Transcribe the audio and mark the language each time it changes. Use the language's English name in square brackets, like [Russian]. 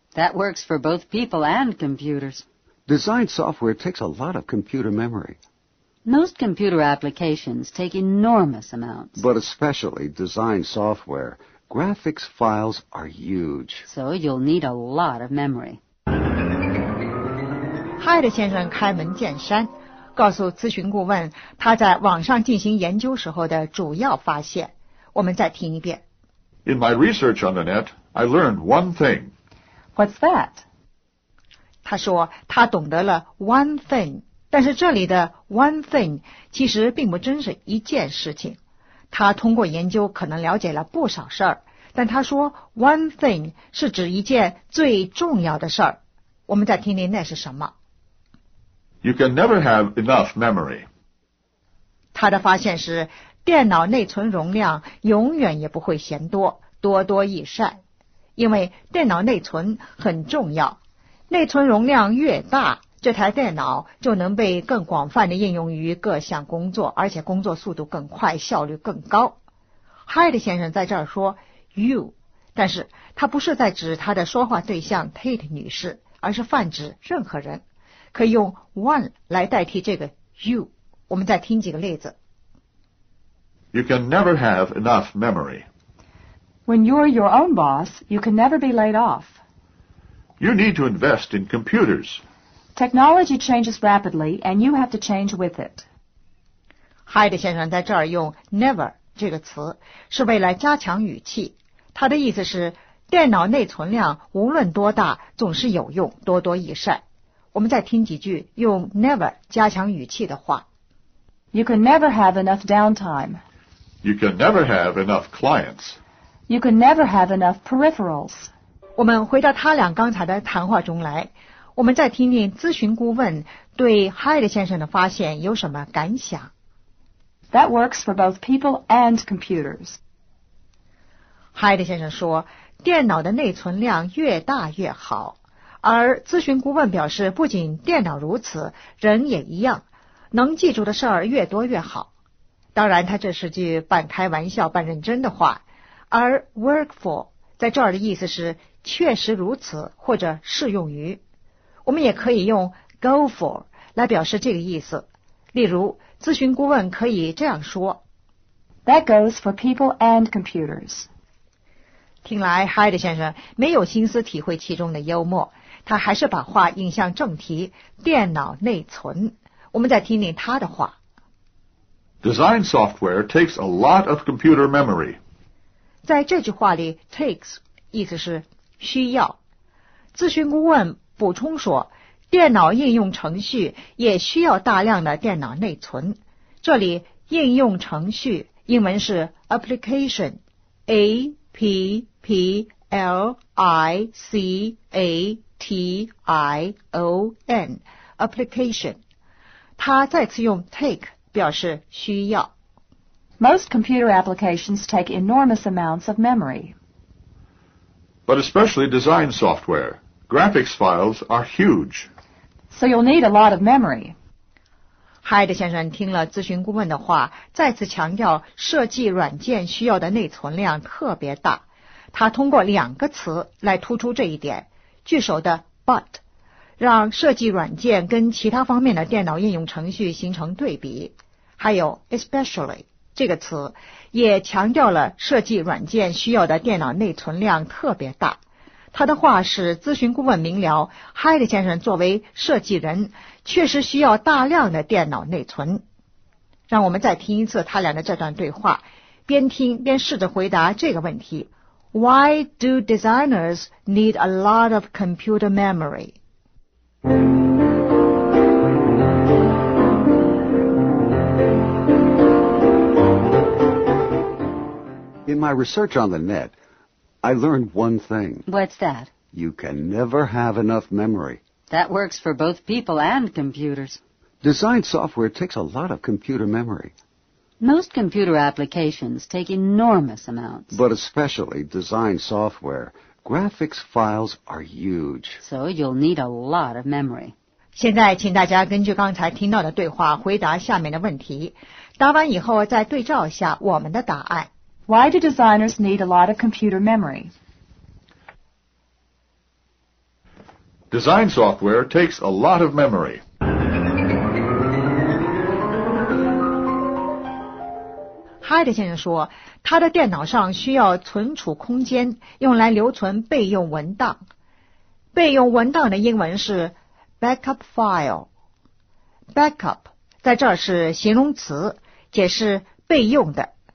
[English] That works for both people and computers. Design software takes a lot of computer memory. Most computer applications take enormous amounts. But especially design software. Graphics files are huge. So you'll need a lot of memory. [Chinese] Hyde 先生开门见山，告诉咨询顾问他在网上进行研究时候的主要发现。我们再听一遍。 [English] In my research on the net, I learned one thing. What's that? [Chinese] 他说他懂得了 [English] one thing, [Chinese] 但是这里的 one thing 其实并不真是一件事情。他通过研究可能了解了不少事儿，但他说 [English] one thing [Chinese] 是指一件最重要的事儿。我们再听听那是什么。 [English] You can never have enough memory. [Chinese] 他的发现是电脑内存容量永远也不会嫌多，多多益善。因为电脑内存很重要，内存容量越大，这台电脑就能被更广泛的应用于各项工作，而且工作速度更快，效率更高。 Hyde 先生在这儿说 you， 但是他不是在指他的说话对象 Tate 女士，而是泛指任何人，可以用 one 来代替这个 you。我们再听几个例子。 [English] You can never have enough memory. When you're your own boss, you can never be laid off. You need to invest in computers. Technology changes rapidly and you have to change with it. [Chinese] Hyde 先生在这儿用 never 这个词是为了加强语气，他的意思是电脑内存量无论多大总是有用，多多益善。我们再听几句用 never 加强语气的话。 [English] You can never have enough downtime. You can never have enough clients. You can never have enough peripherals. [Chinese] 我们回到他俩刚才的谈话中来，我们再听听咨询顾问对 Hyde 先生的发现有什么感想。 [English] That works for both people and computers. [Chinese] Hyde 先生说，电脑的内存量越大越好。而咨询顾问表示，不仅电脑如此，人也一样，能记住的事儿越多越好。当然，他这是句半开玩笑半认真的话。而 [English] work for [Chinese] 在这儿的意思是确实如此或者适用于。我们也可以用 [English] go for [Chinese] 来表示这个意思。例如，咨询顾问可以这样说 [English] ：That goes for people and computers。 [Chinese] 听来 ，Hyde 先生没有心思体会其中的幽默。他还是把话引向正题，电脑内存。我们再听听他的话。 [English] Design software takes a lot of computer memory. [Chinese] 在这句话里 ,takes, 意思是需要。咨询顾问补充说，电脑应用程序也需要大量的电脑内存。这里应用程序，英文是 application， A P P L I C A T I O N， application。他再次用 take 表示需要。 [English] Most computer applications take enormous amounts of memory. But especially design software. Graphics files are huge. So you'll need a lot of memory. [Chinese] Hyde 先生听了咨询顾问的话，再次强调设计软件需要的内存量特别大。他通过两个词来突出这一点，句首的 but， 让设计软件跟其他方面的电脑应用程序形成对比，还有 especially。这个词也强调了设计软件需要的电脑内存量特别大。他的话使咨询顾问明了 Hyde 先生作为设计人确实需要大量的电脑内存。让我们再听一次他俩的这段对话，边听边试着回答这个问题。 [English] Why do designers need a lot of computer memory? In my research on the net, I learned one thing. What's that? You can never have enough memory. That works for both people and computers. Design software takes a lot of computer memory. Most computer applications take enormous amounts. But especially design software. Graphics files are huge. So you'll need a lot of memory. [Chinese] 现在请大家根据刚才听到的对话回答下面的问题。答完以后再对照一下我们的答案。 [English] Why do designers need a lot of computer memory? Design software takes a lot of memory. [Chinese] Hyde 先生说，他的电脑上需要存储空间，用来留存备用文档。备用文档的英文是 backup file. Backup 在这儿是形容词，解释备用的。